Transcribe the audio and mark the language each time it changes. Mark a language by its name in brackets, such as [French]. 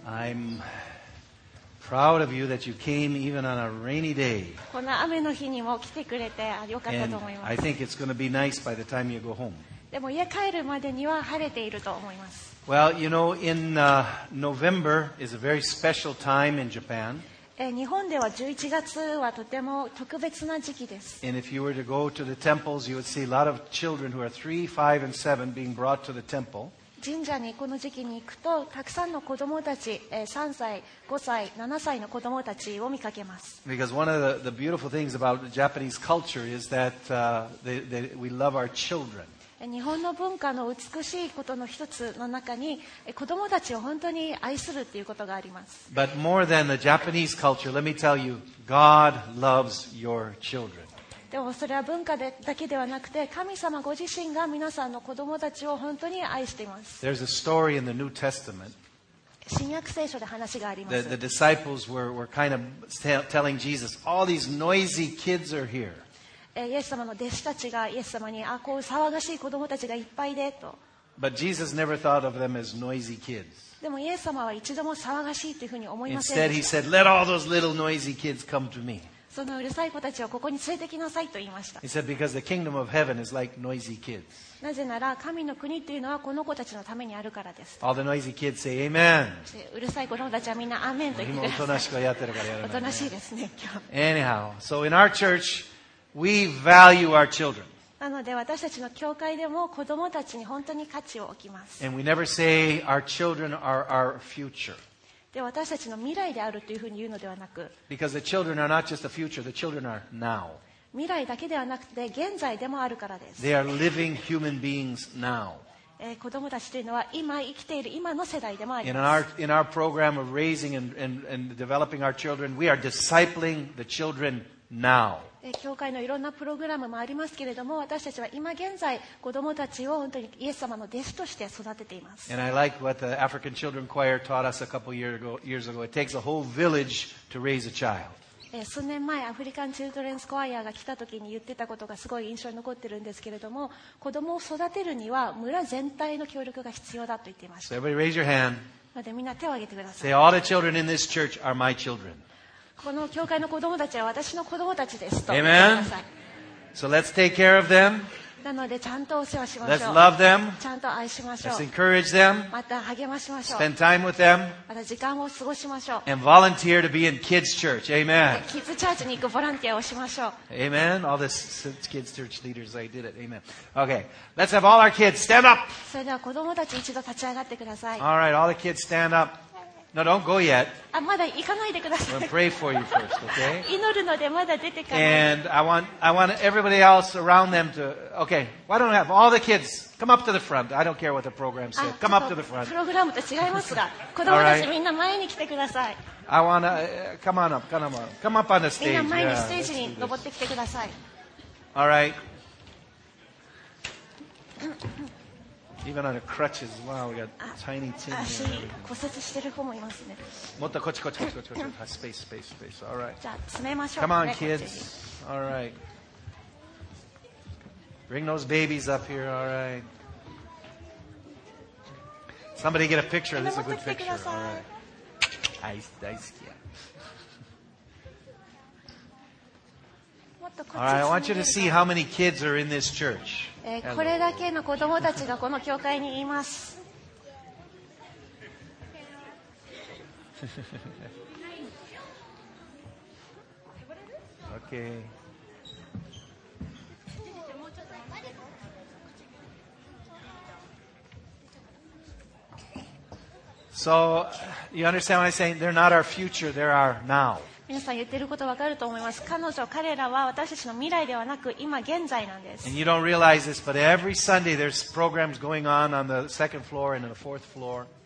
[English] I'm proud of you that you came even on a rainy day. [Japanese] この雨の日にも来てくれてよかったと思います。 [English] And I think it's going to be nice by the time you go home. [Japanese] でも家帰るまでには晴れていると思います。 [English] Well, you know, in November is a very special time in Japan. [Japanese] 日本では11月はとても特別な時期です。 [English] And if you were to go to the temples, you would see a lot of children who are 3, 5, and 7 being brought to the temple. [Japanese] 神社にこの時期に行くと、たくさんの子供たち、3歳、5歳、7歳の子供たちを見かけます。 [English] Because one of the beautiful things about Japanese culture is that we love our children. [Japanese] 日本の文化の美しいことの一つの中に子供たちを本当に愛するっていうことがあります。 [English] But more than the Japanese culture, let me tell you, God loves your children. [Japanese] でもそれは文化だけではなくて、神様ご自身が皆さんの子供たちを本当に愛しています。 [English] There's a story in the New Testament. [Japanese] 新約聖書で話があります。 [English] The disciples were kind of telling Jesus, all these noisy kids are here. [Japanese] イエス様の弟子たちがイエス様に、あ、こう騒がしい子供たちがいっぱいでと。 [English] But Jesus never thought of them as noisy kids. [Japanese] でもイエス様は一度も騒がしいというふうに思いませんでした。 [English] Instead, he said, "Let all those little noisy kids come to me." [Japanese] そのうるさい子たちをここに連れてきなさいと言いました。 [English] He said, "Because the kingdom of heaven is like noisy kids." [Japanese] なぜなら神の国というのはこの子たちのためにあるからです。 [English] All the noisy kids say, "Amen." [Japanese] うるさい子供たちはみんなアーメンと言ってる。おとなしくやってるからやらない。おとなしいですね今日。 [English] Anyhow, so in our church. We value our children. [Japanese] なので私たちの教会でも子供たちに本当に価値を置きます。 [English] And we never say our children are our future. [Japanese] で私たちの未来であるというふうに言うのではなく、 [English] Because the children are not just the future, the children are now. [Japanese] 未来だけではなくて現在でもあるからです。 [English] They are living human beings now. [Japanese] 子供たちというのは今生きている今の世代でもあります。 [English] In our program of raising and developing our children, we are discipling the children now. [Japanese] 教会のいろんなプログラムもありますけれども、私たちは今現在子供たちを本当にイエス様の弟子として育てています。 [English] And I like what the African Children Choir taught us a couple years ago. It takes a whole village to raise a child. [Japanese] 数年前、アフリカンチルドレンスコワイアが来た時に言ってたことがすごい印象に残ってるんですけれども、子供を育てるには村全体の協力が必要だと言っていました。 [English] So everybody raise your hand. [Japanese] なのでみんな手を挙げてください。 [English] Say all the children in this church are my children. [Japanese] この教会の子供たちは私の子供たちですと。 [English] Amen. So let's take care of them. [Japanese] なのでちゃんとお世話しましょう。 [English] Let's love them. [Japanese] ちゃんと愛しましょう。 [English] Let's encourage them. [Japanese] また励ましましょう。 [English] Spend time with them. [Japanese] また時間を過ごしましょう。 [English] And volunteer to be in kids church. Amen. [Japanese] Kids church に行くボランティアをしましょう。 [English] Amen. All the kids church leaders, I did it. Amen. Okay. Let's have all our kids stand up. [Japanese] それでは子供たち一度立ち上がってください。 [English] All right. All the kids stand up. No, don't go yet. [Japanese] まだ行かないでください。 [English] I'm gonna pray for you first, okay? [Japanese] 祈るのでまだ出てかない。 [English] And I want everybody else around them to, okay, why don't I have all the kids come up to the front? I don't care what the program says. Come up to the front. [Japanese] プログラムと違いますが、子供たちみんな前に来てください。 [English] I wanna, come on up. Come up on the stage. [Japanese] みんな前にステージに登ってきてください。 [English] All right. Even on a crutches, wow, we got tiny tin. [Japanese] 足骨折してる子もいますね。もっとこっちこっちこっちこっち。 [English] Space. All right. [Japanese] じゃあ詰めましょう。 [English] Come on, kids. All right. Bring those babies up here. All right. Somebody get a picture. This is a good picture. All right. [Japanese] 大好き。 [English] All right, I want you to see how many kids are in this church. [Japanese] これだけの子供たちがこの教会にいます。 [English] Okay. So, you understand what I'm saying? They're not our future, they're our now. [Japanese] 皆さん言ってること分かると思います。彼女、彼らは私たちの未来ではなく今現在なんです。 [English] And you don't realize this, but every Sunday there's programs going on the second floor and on the fourth floor.